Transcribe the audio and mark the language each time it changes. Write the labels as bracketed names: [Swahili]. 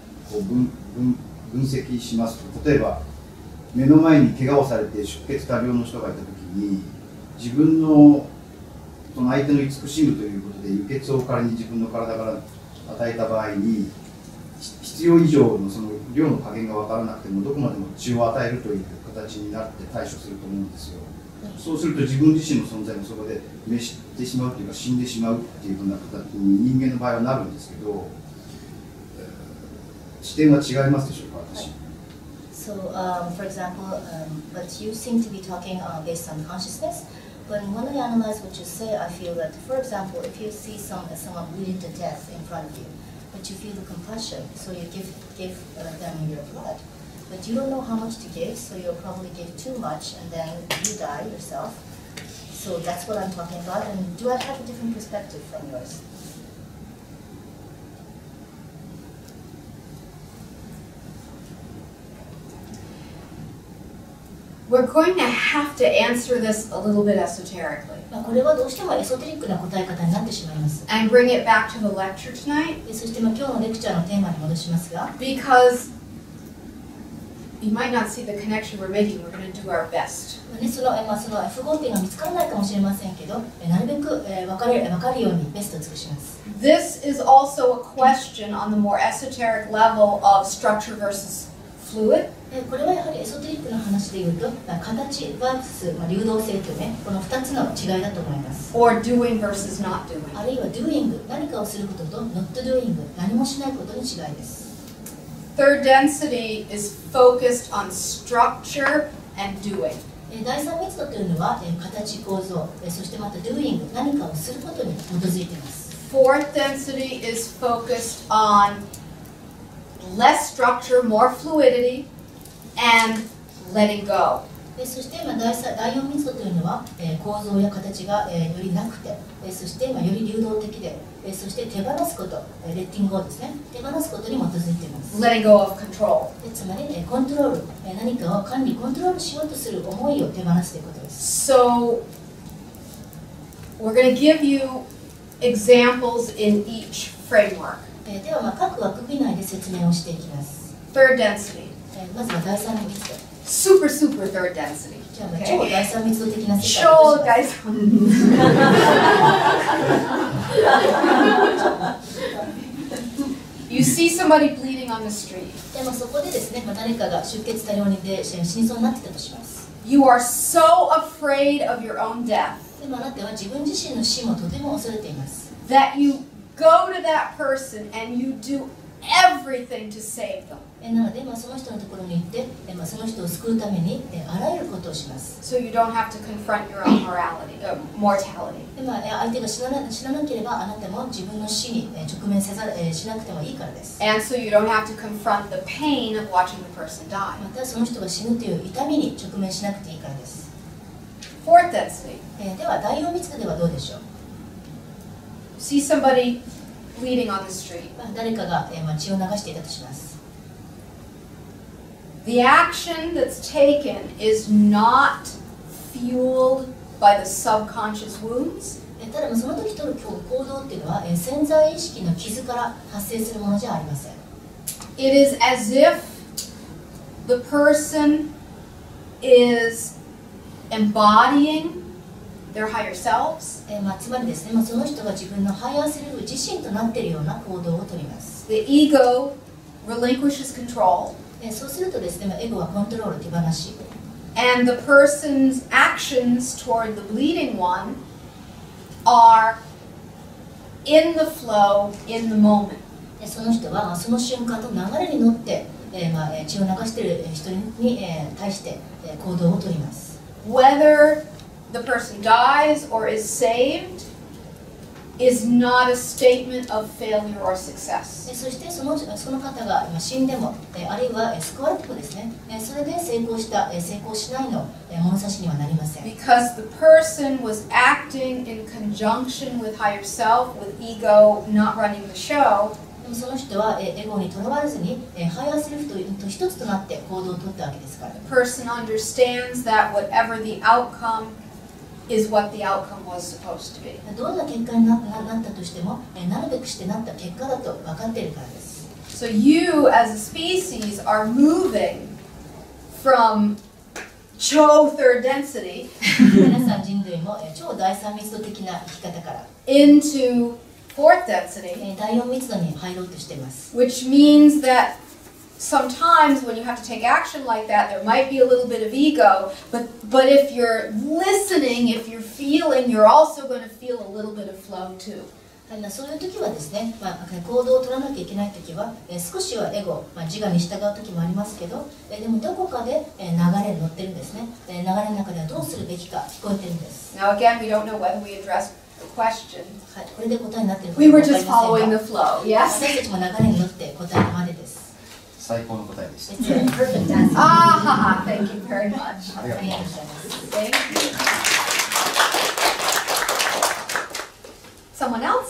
[Japanese] こう分析しますと、例えば目の前に怪我をされて出血多量の人がいたときに、自分のその相手の慈しむということで輸血を仮に自分の体から与えた場合に、必要以上のその量の加減が分からなくてもどこまでも血を与えるという形になって対処すると思うんですよ。そうすると自分自身の存在もそこで滅してしまうというか死んでしまうというふうな形に人間の場合はなるんですけど、視点は違いますでしょうか、私。 [English] So, for example, but you seem to be talking based on consciousness. But when I analyze what you say, I feel that, for example, if you see someone bleeding to death in front of you, but you feel the compassion, so you give them your blood. But you don't know how much to give, so you'll probably give too much, and then you die yourself. So that's what I'm talking about. And do I have a different perspective from yours? We're going to have to answer this a little bit esoterically. [Japanese] まあこれはどうしてもエソテリックな答え方になってしまいます。 [English] And bring it back to the lecture tonight. [Japanese] そしてまあ今日のレクチャーのテーマに戻しますが。 [English] Because You might not see the connection we're making. We're going to do our best. [Japanese] その複合点が見つからないかもしれませんけど、なるべく分かるようにベストを尽くします。 [English] This is also a question on the more esoteric level of structure versus fluid. [Japanese] これはやはりエソテリックの話で言うと、形 versus 流動性というね、この2つの違いだと思います。 [English] Or doing versus not doing. [Japanese] あるいは doing 何かをすることと not doing 何もしないことの違いです。 [English] Third density is focused on structure and doing. [Japanese] 第三密度というのは形構造、そしてまた doing 何かをすることに基づいています。 [English] Fourth density is focused on less structure, more fluidity, and letting go. [Japanese] そして第四密度というのは構造や形がよりなくて、そしてより流動的で、そして手放すこと、レッティングをですね、手放すことに基づいています。 [English] Letting go of control。 [Japanese] つまり、コントロール、何かを管理、コントロールしようとする思いを手放すということです。 [English] So, we're going to give you examples in each framework. [Japanese] では、各枠組み内で説明をしていきます。 [English] Third density. [Japanese] まずは第三密度。 [English] Super, super third density. [Japanese] Okay. 超第三密度的な世界を出します。超第三密度。 [English] You see somebody bleeding on the street. [Japanese] でもそこでですね、誰かが出血多量にで死にそうになってたとします。 [English] You are so afraid of your own death. [Japanese] でもあなたは自分自身の死もとても恐れています。 [English] That you go to that person and you do everything to save them. [Japanese] なので、その人のところに行って、その人を救うために、あらゆることをします。 [English] So you don't have to confront your own morality, mortality. [Japanese] 相手が死ななければ、あなたも自分の死に直面しなくてもいいからです。 [English] And so you don't have to confront the pain of watching the person die. [Japanese] また、その人が死ぬという痛みに直面しなくていいからです。 [English] Fourth density. [Japanese] では、第四密度ではどうでしょう? [English] See somebody bleeding on the street. [Japanese] 誰かが血を流していたとします。 [English] The action that's taken is not fueled by the subconscious wounds. [Japanese] ただその時取る行動っていうのは潜在意識の傷から発生するものじゃありません。 [English] It is as if the person is embodying their higher selves. [Japanese] つまりですね、その人が自分のハイアーセルフ自身となっているような行動を取ります。 [English] The ego relinquishes control. [Japanese] そうするとですね、エゴはコントロール手放し。 [English] And the person's actions toward the bleeding one are in the flow, in the moment. [Japanese] その人はその瞬間と流れに乗って、血を流している人に対して行動をとります。 [English] Whether the person dies or is saved, is not a statement of failure or success. [Japanese] そしてその方が今死んでも、あるいはスコアップですね。それで成功した、成功しないの物差しにはなりません。 [English] Because the person was acting in conjunction with higher self, with ego, not running the show. [Japanese] でもその人はエゴにとらわれずに、ハイアーセルフと一つとなって行動をとったわけですから。 [English] The person understands that whatever the outcome is what the outcome was supposed to be. [Japanese] どんな結果になったとしても、なるべくしてなった結果だと分かっているからです。 [English] So you as a species are moving from超 third density [Japanese] 皆さん人類も超第三密度的な生き方から [English] into fourth density [Japanese] 第四密度に入ろうとしています。 [English] Which means thatSometimes when you have to take action like that, there might be a little bit of ego, but if you're listening, if you're feeling, you're also going to feel a little bit of flow too. [Japanese] そういう時はですね、行動を取らなきゃいけない時は、少しはエゴ、自我に従う時もありますけど、でもどこかで流れに乗ってるんですね。流れの中ではどうするべきか聞こえてるんです。 [English] Now again, we don't know whether we address the question. [Japanese] これで答えになってる [English] か。We were just following the flow. Yes. [Japanese] 私たちも流れに乗って答えたまでです。最高の答えでした。 [English] It's a perfect answer. Ah, haha, thank you very much. [Japanese] ありがとうございます。 [English] Thank you. Someone else?